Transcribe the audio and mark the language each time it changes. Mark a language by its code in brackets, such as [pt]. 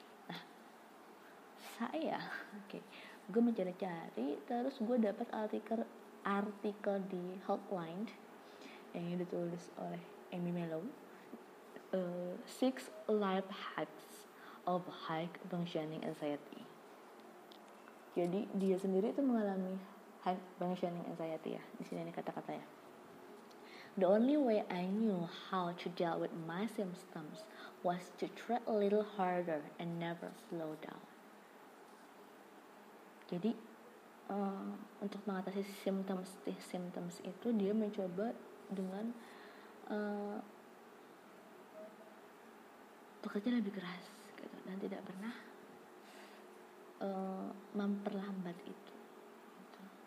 [id] Nah, saya gue mencari-cari, terus gue dapat artikel di Healthline yang ditulis oleh Amy Mellow, [en] 6 life hacks of high functioning anxiety. [id] Jadi dia sendiri itu mengalami high functioning anxiety ya. Di sini ini kata-katanya. [en] The only way I knew how to deal with my symptoms was to try a little harder and never slow down. [id] Jadi untuk mengatasi symptoms itu, dia mencoba dengan bekerja lebih keras gitu, dan tidak pernah memperlambat itu gitu.